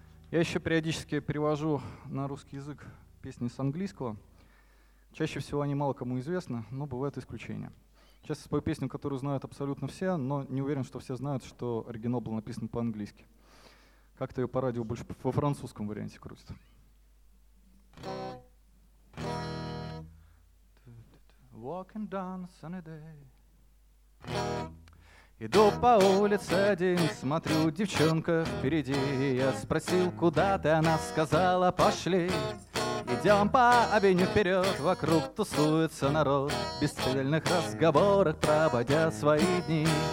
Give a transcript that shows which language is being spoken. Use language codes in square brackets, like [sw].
[ru] Я еще периодически перевожу на русский язык песни с английского. Чаще всего они мало кому известны, но бывают исключения. Сейчас я спою песню, которую знают абсолютно все, но не уверен, что все знают, что оригинал был написан по-английски. Как-то ее по радио больше во французском варианте крутят. [en] Walking down a sunny day. [ru] Иду по улице один, смотрю, девчонка впереди. Я спросил, куда ты, она сказала, пошли. Идем по авеню вперед, вокруг тусуется народ, в бесцельных разговорах проводя свои дни.